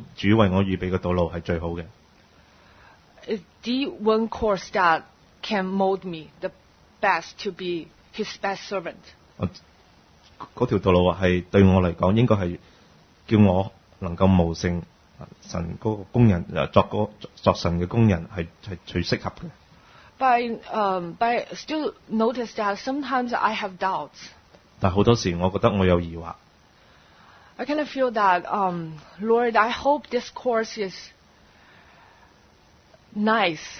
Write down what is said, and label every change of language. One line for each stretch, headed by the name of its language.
Chinese: 很多时我心思里面我知道主为我预备的道路是最好的。
English: It's the one course that can mold me the best to be his best servant.
Chinese: 那条道路是对我来说应该是叫我能够谋胜神的工人作神的工人是最适合的。
English: But I still notice that sometimes I have doubts.
Chinese: 但很多时我觉得我有疑惑。
English: I kind of feel that, Lord, I hope this course is nice.